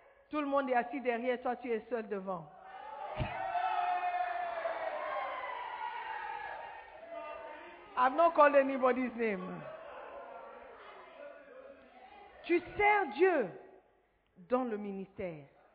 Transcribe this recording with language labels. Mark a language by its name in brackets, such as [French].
[French] Tout le monde est assis derrière, toi tu es seul devant. [English] I've not called anybody's name. [French] Tu sers Dieu dans le ministère.